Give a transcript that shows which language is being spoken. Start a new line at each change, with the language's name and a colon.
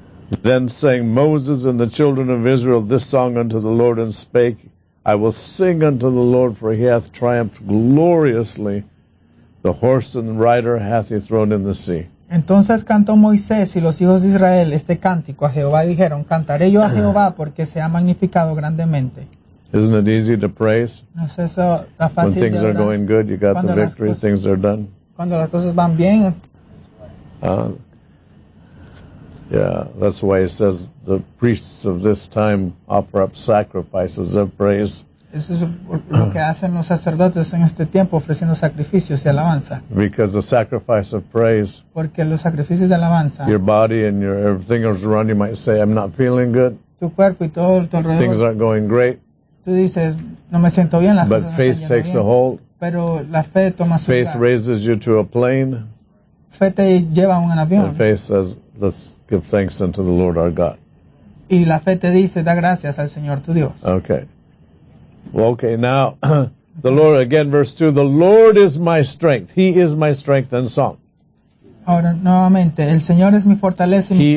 English: Then sang Moses and the children of Israel this song unto the Lord and spake, I will sing unto the Lord, for he hath triumphed gloriously. The horse and rider hath he thrown in the sea.
Spanish: Entonces cantó Moisés y los hijos de Israel este cántico a Jehová y dijeron, cantaré yo a Jehová porque se ha magnificado grandemente.
English: Isn't it easy to praise?
Spanish: ¿No es eso tan fácil?
English: When things
Spanish: de
English: are going good, you got the victory, cosas, things are done.
Spanish: Cuando las cosas van bien.
English: Yeah, that's why it says the priests of this time offer up sacrifices of praise.
Spanish: Eso es lo que hacen los sacerdotes en este tiempo, ofreciendo sacrificios y alabanza.
English: Because the sacrifice of praise.
Spanish: Porque los sacrificios de alabanza.
English: Your body and your everything around you might say, I'm not feeling good.
Spanish: Tu cuerpo y todo tu alrededor.
English: Things aren't going great.
Spanish: Tú dices, no me siento bien, las cosas no
English: están bien. But faith takes a hold.
Spanish: Pero la fe toma su
English: faith
Spanish: lugar.
English: Raises you to a plane.
Spanish: Fe te lleva a un avión.
English: And faith says, let's give thanks unto the Lord our God.
Spanish: Y la fe te dice, da gracias al Señor tu Dios.
English: Okay. Well, okay, now, the Lord, again, verse 2, the Lord is my strength. He is my strength and song.
Spanish: Ahora, nuevamente, el Señor es mi fortaleza y mi